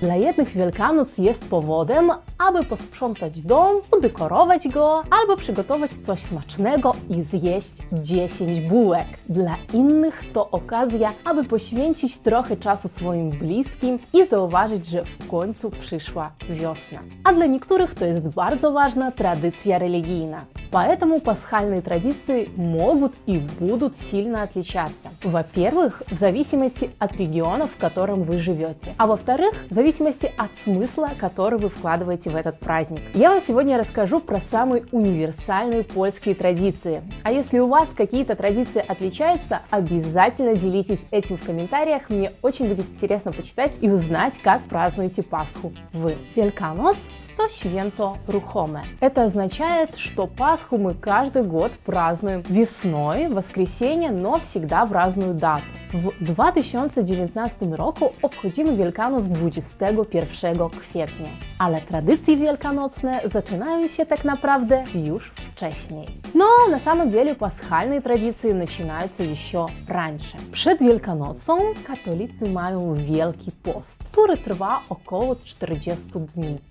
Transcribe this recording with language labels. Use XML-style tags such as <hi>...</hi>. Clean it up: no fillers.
<pl>Dla jednych Wielkanoc jest powodem, aby posprzątać dom, udekorować go, albo przygotować coś smacznego i zjeść 10 bułek. Dla innych to okazja, aby poświęcić trochę czasu swoim bliskim i zauważyć, że w końcu przyszła wiosna. A dla niektórych to jest bardzo ważna tradycja religijna.</pl> <ru>Поэтому пасхальные традиции могут и будут сильно отличаться. Во-первых, в зависимости от региона, в котором вы живете. А во-вторых, в зависимости от смысла, который вы вкладываете в этот праздник. Я вам сегодня расскажу про самые универсальные польские традиции. А если у вас какие-то традиции отличаются, обязательно делитесь этим в комментариях. Мне очень будет интересно почитать и узнать, как празднуете Пасху вы. Wielkanoc to święto ruchome. Это означает, что Пасху мы каждый год празднуем весной, в воскресенье, но всегда в разную дату.</ru> <pl>В 2019 roku obchodzimy Wielkanoc 21 kwietnia. Ale tradycje wielkanocne zaczynają się tak naprawdę już wcześniej. No, na samym</pl> <ru>деле</ru> <pl>paschalne tradycje zaczynają się jeszcze</pl> <ru>раньше.</ru> <pl>Przed Wielkanocą katolicy mają Wielki Post, który trwa około 40 dni.</pl>